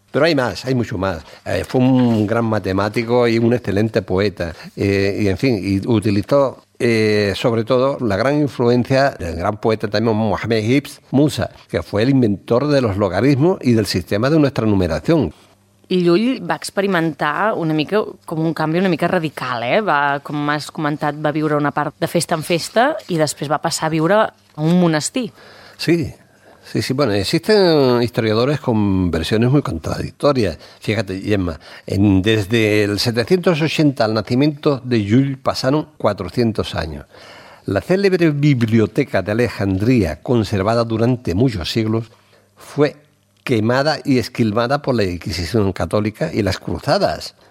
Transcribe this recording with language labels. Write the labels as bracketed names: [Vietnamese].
[Spanish] Pero hay más, hay mucho más. Fue un gran matemático y un excelente poeta. Y en fin, y utilizó sobre todo la gran influencia del gran poeta también Mohamed Ibn Musa, que fue el inventor de los logaritmos y del sistema de nuestra numeración. [Catalan] Llull va experimentar una mica com un canvi una mica radical, eh? Va, com has comentat, va viure una part de festa en festa i després va passar a viure a un monestir. Sí. [Spanish] Sí, sí, bueno, existen historiadores con versiones muy contradictorias. Fíjate, Gemma, desde el 780 al nacimiento de Llull pasaron 400 años. La célebre biblioteca de Alejandría, conservada durante muchos siglos, fue quemada y esquilmada por la Inquisición Católica y las Cruzadas.